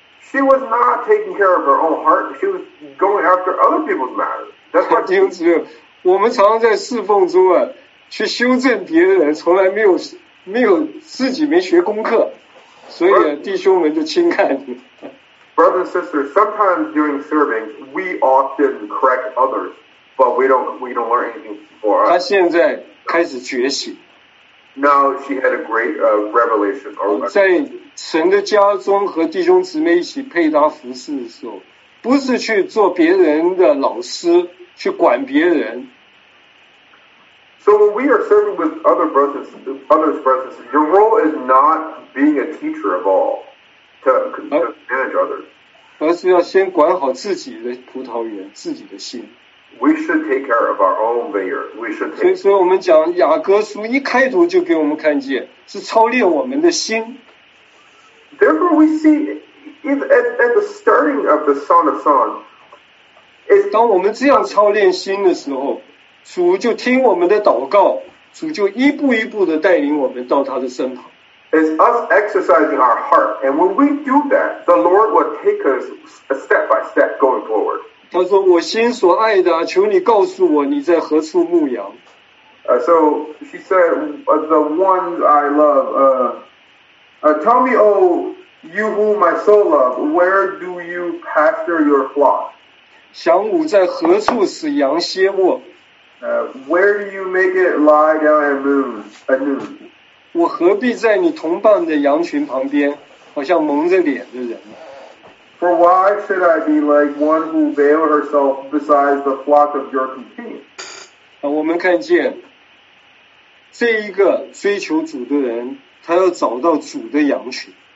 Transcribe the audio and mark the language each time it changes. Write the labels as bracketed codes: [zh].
[en] She was not taking care of her own heart. She was going after other people's matters. [zh] 弟兄姊妹，我们常常在侍奉中啊，去修正别人，从来没有自己没学功课，所以弟兄们就轻看你。 [en] Brothers and sisters, sometimes during serving, we often correct others, but we don't learn anything for us. [zh] 他现在开始觉醒。 [en] Now she had a great revelation. [zh] 在神的家中和弟兄姊妹一起配搭服侍的时候，不是去做别人的老师，去管别人。 [en] So when we are serving with other brothers, your role is not being a teacher of all, to manage others. [zh] 而是要先管好自己的葡萄园，自己的心。 [en] We should take care of our own vineyard. We should. [zh] 所以说，我们讲雅各书一开头就给我们看见，是操练我们的心。 [en] Therefore, we see at the starting of the Song of Songs. [zh] 当我们这样操练心的时候，主就听我们的祷告，主就一步一步的带领我们到他的身旁。 [en] It's us exercising our heart, and when we do that, the Lord will take us step by step going forward. [zh] 他说：“我心所爱的，求你告诉我你在何处牧羊。” [en] So she said, "The ones I love, tell me, oh, you whom my soul love, where do you pasture your flock?" [zh] 翔午在何处使羊歇卧？ [en] Where do you make it lie down at noon? [zh] 我何必在你同伴的羊群旁边，好像蒙着脸的人？ [en] For why should I be like one who veiled herself beside the flock of your companions? [zh] 我们看见这一个追求主的人，他要找到主的羊群。